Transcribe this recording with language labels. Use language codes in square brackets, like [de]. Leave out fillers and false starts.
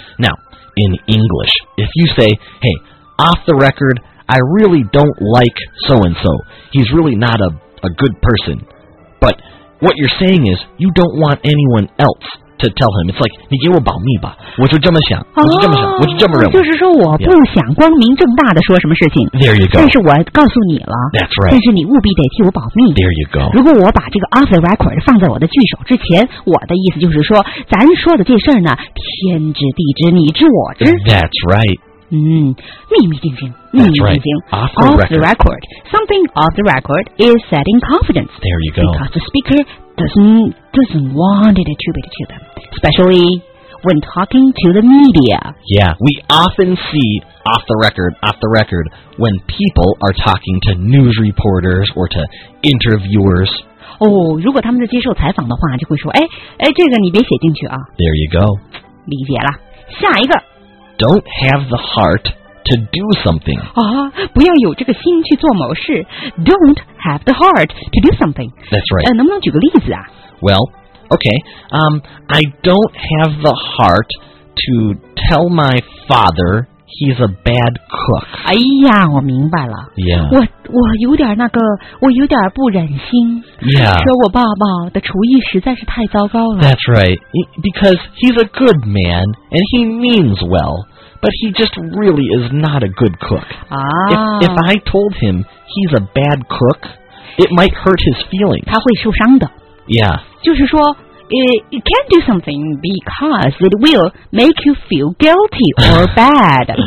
[en] Now, in English, if you say, hey, off the record, I really don't like so-and-so. He's really not a good person. But what you're saying is, you don't want anyone else to tell him. It's like, [zh] 你给我保密吧。我就这么想。我就这么认为。就是说我不想光明正大的说什么事情。 [en] There you go. [zh] 但是我告诉你了。 [en] That's right. [zh] 但是你务必得替我保密。 [en] There you go. [zh] 如果我把这个 off the record 放在我的句首之前，我的意思就是说，咱说的这事儿呢，天知地知，你知我知。 [en] That's right. [zh] 秘密进行，秘密进行。 [en] Off the record, something off the record is said in confidence. There you go. Because the speaker doesn't want it attributed to them, especially when talking to the media. Yeah, we often see off the record, when people are talking to news reporters or to interviewers. [zh] 如果他们在接受采访的话，就会说，哎哎，这个你别写进去啊。 [en] There you go. [zh] 理解了，下一个。 [en] Don't have the heart to do something. [zh] 不要有这个心去做某事。 [en] Don't have the heart to do something. That's right. [zh] 能不能举个例子啊? [en] Well, okay. I don't have the heart to tell my father he's a bad cook. [zh] 哎呀，我明白了。 [en] Yeah. [zh] 我有点那个，我有点不忍心。 [en] Yeah. [zh] 说我爸爸的厨艺实在是太糟糕了。 [en] That's right. Because he's a good man and he means well, but he just really is not a good cook. If I told him he's a bad cook, it might hurt his feelings. [zh] 他会受伤的。 [en] Yeah. [zh] 就是说。 [en] It can't do something because it will make you feel guilty or bad.